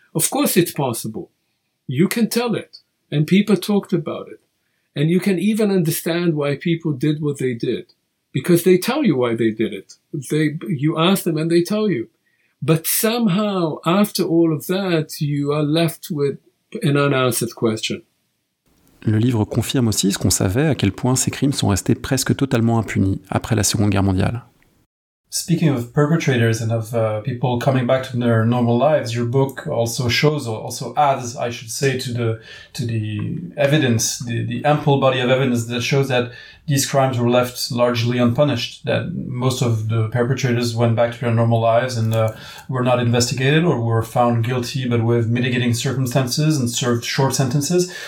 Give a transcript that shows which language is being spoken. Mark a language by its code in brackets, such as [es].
[en] Of course it's possible. You can tell it. And people talked about it. And you can even understand why people did what they did. Because they tell you why they did it. You ask them and they tell you. But somehow, after all of that, you are left with an unanswered question. [fr] Le livre confirme aussi ce qu'on savait, à quel point ces crimes sont restés presque totalement impunis après la Seconde Guerre mondiale. [en] Speaking of perpetrators and of people coming back to their normal lives, your book also shows, or also adds, I should say, to the evidence, the ample body of evidence that shows that these crimes were left largely unpunished, that most of the perpetrators went back to their normal lives and were not investigated or were found guilty, but with mitigating circumstances and served short sentences.